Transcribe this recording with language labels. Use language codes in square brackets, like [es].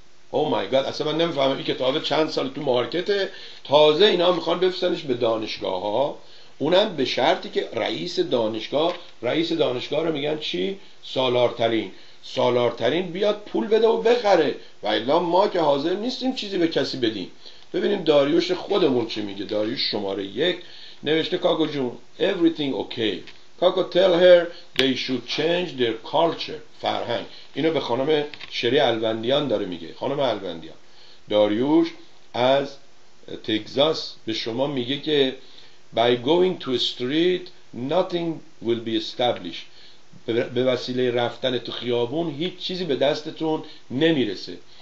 [fa] او مای گاد، اصلا من نمیفهمم این کتاب چند سال تو مارکته، تازه اینا میخوان بفرستنش به دانشگاه ها، اونم به شرطی که رئیس دانشگاه رو میگن چی؟ سالارترین بیاد پول بده و بخره، و الا ما که حاضر نیستیم چیزی به کسی بدیم. ببینیم داریوش خودمون چی میگه. داریوش شماره 1 نوشته کاکو جون [en] everything okay، [fa] کاکو [en] tell her they should change their culture، [fa] فرهنگ. اینو به خانم شری الوندیان داره میگه، خانم الوندیان. داریوش از تگزاس به شما میگه که [en] by going to street nothing will be established، [fa] به وسیله رفتن تو خیابون هیچ چیزی به دستتون نمیرسه.